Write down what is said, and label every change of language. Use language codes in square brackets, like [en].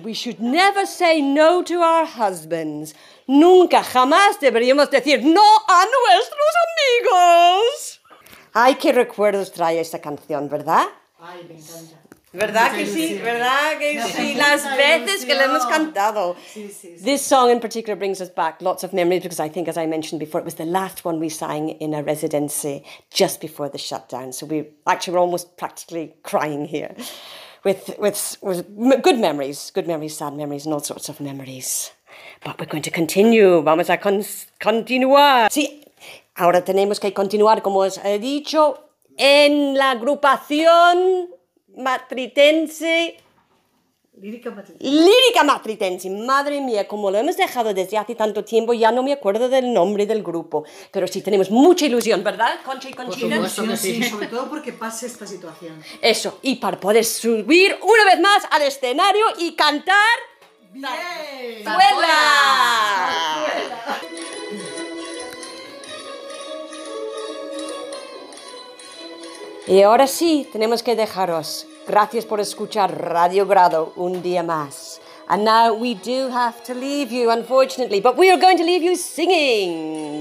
[en] We should never say no to our husbands. [es] Nunca jamás deberíamos decir no a nuestros amigos. Ay, qué recuerdos trae esta canción, ¿verdad? Ay, me encanta. ¿Verdad que sí? Las veces que la hemos cantado. Sí. [en] This song in particular brings us back lots of memories because I think, as I mentioned before, it was the last one we sang in a residency just before the shutdown. So we're almost practically crying here. With good memories, sad memories, and all sorts of memories. But we're going to continue. [es] Vamos a continuar. Sí, ahora tenemos que continuar, como os he dicho, en la agrupación matritense. Lírica Matritensis. Lírica Matritensis, madre mía, como lo hemos dejado desde hace tanto tiempo, ya no me acuerdo del nombre del grupo. Pero sí, tenemos mucha ilusión, ¿verdad, Concha y Conchita? Por supuesto, sí, sobre todo porque pase esta situación. Eso, y para poder subir una vez más al escenario y cantar... ¡Bien! ¡Zarzuela! Y ahora sí, tenemos que dejaros. Gracias por escuchar Radio Grado un día más. [en] And now we do have to leave you, unfortunately, but we are going to leave you singing.